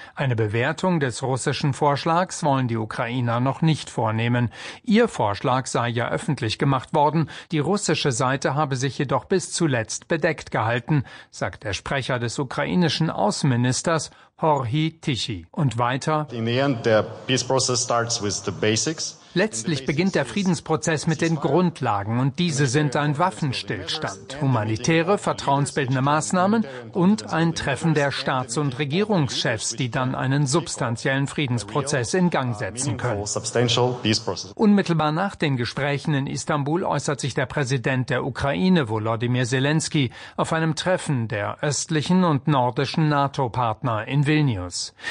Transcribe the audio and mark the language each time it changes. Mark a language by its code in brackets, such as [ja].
[de] Eine Bewertung des russischen Vorschlags wollen die Ukrainer noch nicht vornehmen. Ihr Vorschlag sei ja öffentlich gemacht worden. Die russische Seite habe sich jedoch bis zuletzt bedeckt gehalten, sagt der Sprecher des ukrainischen Außenministers Horhi Tichy. Und weiter. [en] In the end, the peace process starts with the basics. [de] Letztlich beginnt der Friedensprozess mit den Grundlagen und diese sind ein Waffenstillstand, humanitäre, vertrauensbildende Maßnahmen und ein Treffen der Staats- und Regierungschefs, die dann einen substanziellen Friedensprozess in Gang setzen können. Unmittelbar nach den Gesprächen in Istanbul äußert sich der Präsident der Ukraine, Volodymyr Zelensky, auf einem Treffen der östlichen und nordischen NATO-Partner in Vilnius.